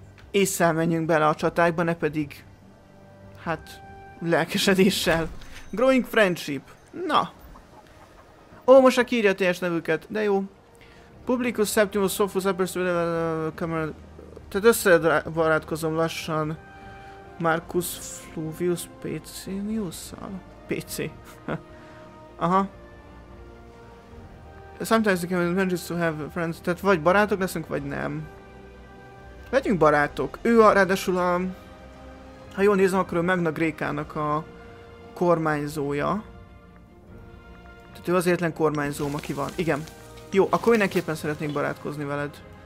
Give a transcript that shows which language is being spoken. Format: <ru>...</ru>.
<hu>Ésszel menjünk bele a csatákba, ne pedig, hát, lelkesedéssel.</hu> <en>Growing friendship.</en> <hu>Na. Ó, most aki írja a teljes nevüket, de jó. Publicus Septimus Sophus Aperstuvel Camera. Tehát összebarátkozom lassan Marcus Fluvius Pecinius-szal. PC. Aha.</hu> <en>Sometimes the camera manages to have friends.</en> <hu>Tehát vagy barátok leszünk, vagy nem. Legyünk barátok. Ő a, ráadásul a... Ha jól nézem, akkor ő Magna Graecának a kormányzója. Tehát ő az egyetlen kormányzóm, aki van. Igen. Jó, akkor mindenképpen szeretnék barátkozni veled.</hu>